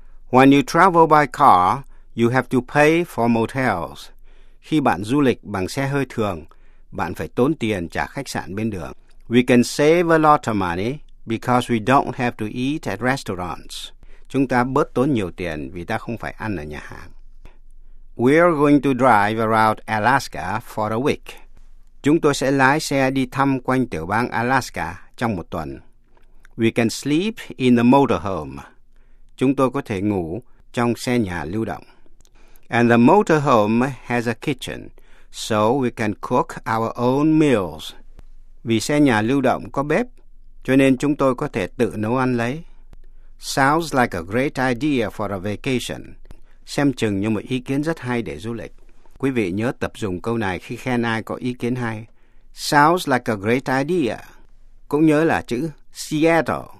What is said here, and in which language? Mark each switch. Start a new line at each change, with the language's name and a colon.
English: When you travel by car, you have to pay for motels.
Vietnamese: Khi bạn du lịch bằng xe hơi thường, bạn phải tốn tiền trả khách sạn bên đường.
English: We can save a lot of money because we don't have to eat at restaurants.
Vietnamese: Chúng ta bớt tốn nhiều tiền vì ta không phải ăn ở nhà hàng.
English: We are going to drive around Alaska for a week.
Vietnamese: Chúng tôi sẽ lái xe đi thăm quanh tiểu bang Alaska trong một tuần.
English: We can sleep in the motorhome.
Vietnamese: Chúng tôi có thể ngủ trong xe nhà lưu động.
English: And the motorhome has a kitchen, so we can cook our own meals.
Vietnamese: Vì xe nhà lưu động có bếp, cho nên chúng tôi có thể tự nấu ăn lấy.
English: Sounds like a great idea for a vacation.
Vietnamese: Xem chừng như một ý kiến rất hay để du lịch. Quý vị nhớ tập dùng câu này khi khen ai có ý kiến hay.
English: Sounds like a great idea.
Vietnamese: Cũng nhớ là chữ Seattle.